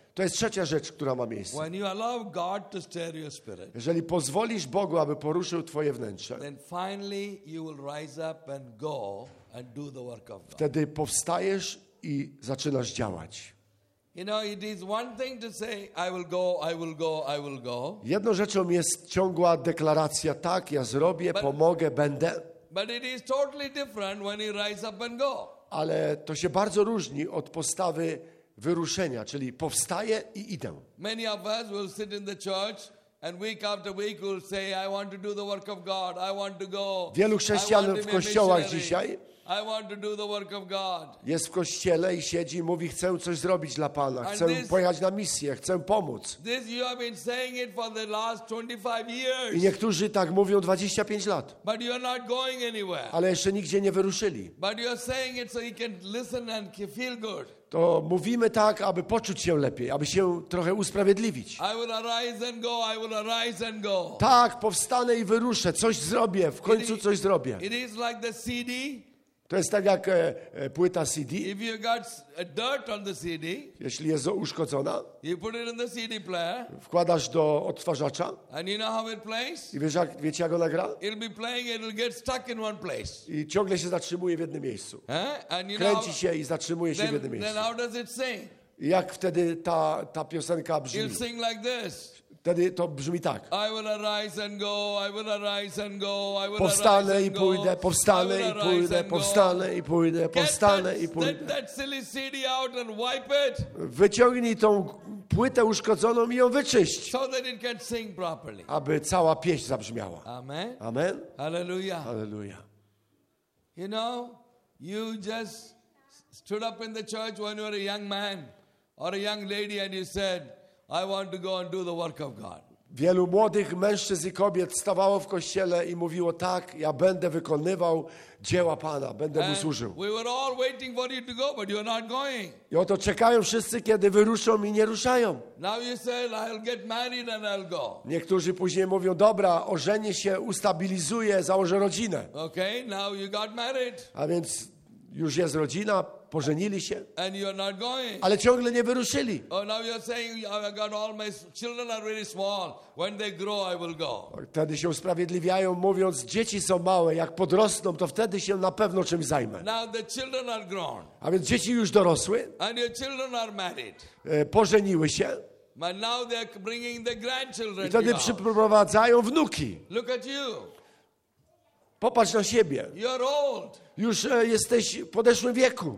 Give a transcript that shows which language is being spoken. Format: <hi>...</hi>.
<pl>To jest trzecia rzecz, która ma miejsce.</pl> <en>When you allow God to stir your spirit,</en> <pl>jeżeli pozwolisz Bogu, aby poruszył twoje wnętrze,</pl> <en>then finally you will rise up and go and do the work of God.</en> <pl>Wtedy powstajesz i zaczynasz działać.</pl> <en>You know, it is one thing to say, I will go, I will go, I will go.</en> <pl>Jedną rzeczą jest ciągła deklaracja, tak, ja zrobię, pomogę, będę.</pl> <en>But it is totally different when you rise up and go.</en> <pl>Ale to się bardzo różni od postawy wyruszenia, czyli powstaję i idę.</pl> <en>Many of us will sit in the church and week after week will say, I want to do the work of God, I want to go.</en> <pl>Wielu chrześcijan w kościołach dzisiaj.</pl> <en>I want to do the work of God.</en> <pl>Jest w kościele i siedzi i mówi, chcę coś zrobić dla Pana, chcę pojechać na misję, chcę pomóc.</pl> <en>This you have been saying it for the last 25 years.</en> <pl>I niektórzy tak mówią 25 lat.</pl> <en>But you're not going anywhere.</en> <pl>Ale jeszcze nigdzie nie wyruszyli.</pl> <en>But you're saying it so you can listen and feel good.</en> <pl>To mówimy tak, aby poczuć się lepiej, aby się trochę usprawiedliwić.</pl> <en>I will arise and go, I will arise and go.</en> <pl>Tak, powstanę i wyruszę, coś zrobię, w końcu coś zrobię.</pl> <en>It is like the CD.</en> <pl>To jest tak jak płyta CD.</pl> <en>If you got dirt on the CD,</en> <pl>jeśli jest uszkodzona,</pl> <en>you put it in the CD player,</en> <pl>wkładasz do odtwarzacza.</pl> <en>And you know how it plays?</en> <pl>I wiecie jak ona gra?</pl> <en>It'll be playing, it'll get stuck in one place.</en> <pl>I ciągle się zatrzymuje w jednym miejscu.</pl> <en>And you</en> <pl>kręci</pl> <en>know,</en> <pl>się i zatrzymuje się w jednym miejscu.</pl> <en>Then how does it sing?</en> <pl>I jak wtedy ta piosenka brzmi?</pl> <en>It'll sing like this.</en> <pl>Wtedy to brzmi tak.</pl> <en>I will arise and go, I will arise and go, I will</en> <pl>powstanę</pl> <en>arise</en> <pl>i pójdę, powstanę i pójdę, powstanę i pójdę, powstanę i pójdę.</pl> <en>Get that silly CD out and wipe it.</en> <pl>Wyciągnij tą płytę uszkodzoną i ją wyczyść.</pl> <en>So that it can sing properly.</en> <pl>Aby cała pieśń zabrzmiała.</pl> <en>Amen.</en> <pl>Amen.</pl> <en>Hallelujah.</en> <pl>Hallelujah.</pl> <en>You know, you just stood up in the church when you were a young man or a young lady and you said, I want to go and do the work of God.</en> <pl>Wielu młodych mężczyzn i kobiet stawało w kościele i mówiło tak, ja będę wykonywał dzieła Pana, będę mu służył.</pl> <en>We were all waiting for you to go, but you're not going.</en> <pl>I oto czekają wszyscy, kiedy wyruszą i nie ruszają.</pl> <en>Now you say, I'll get married and I'll go.</en> <pl>Niektórzy później mówią, dobra, ożenię się, ustabilizuję, założę rodzinę.</pl> <en>Okay, now you got married.</en> <pl>A więc już jest rodzina. Pożenili się,</pl> <en>and you're not going.</en> <pl>Ale ciągle nie wyruszyli.</pl> <en>Oh, now you're saying I've got all my children are really small. When they grow, I will go.</en> <pl>Wtedy się usprawiedliwiają, mówiąc, dzieci są małe, jak podrosną, to wtedy się na pewno czymś zajmę.</pl> <en>Now the children are grown.</en> <pl>A więc dzieci już dorosły.</pl> <en>And your children are married.</en> <pl>Pożeniły się.</pl> <en>But now they're bringing the grandchildren.</en> <pl>I wtedy przyprowadzają wnuki.</pl> <en>Look at you.</en> <pl>Popatrz na siebie.</pl> <en>You're old.</en> <pl>Już jesteś w podeszłym wieku.</pl>